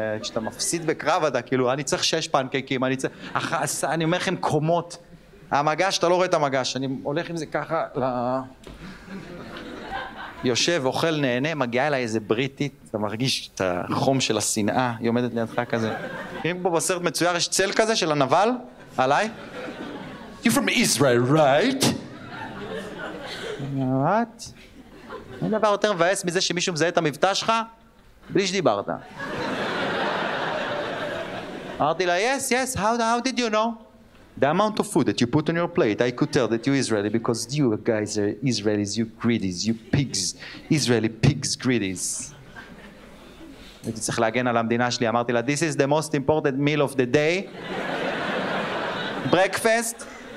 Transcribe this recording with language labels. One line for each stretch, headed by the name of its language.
Hebrew: כשאתה מפסיד בקרב, אתה כאילו, אני צריך 6 פנקייקים, אני צריך... אני אומר לכם, קומות. המגש, אתה לא רואה את המגש, אני הולך עם זה ככה ל... יושב, אוכל, נהנה, מגיעה אליי איזה בריטית, אתה מרגיש את החום של השנאה, היא עומדת לידך כזה. אם פה בסרט מצויר יש צל כזה של הנבל, עליי?
English: You're from Israel, right? What?
Hebrew: אין דבר יותר מבאס מזה שמישהו מזהה את המבטא שלך? בלי שדיברת. אמרתי לה,
English: yes, yes, how did you know? The amount of food that you put on your plate, I could tell that you're Israeli because you guys are Israelis, you greedies, you pigs. Israeli pigs, greedies.
Hebrew: הייתי צריך להגן על המדינה שלי, אמרתי לה,
English: this is the most important meal of the day. Breakfast.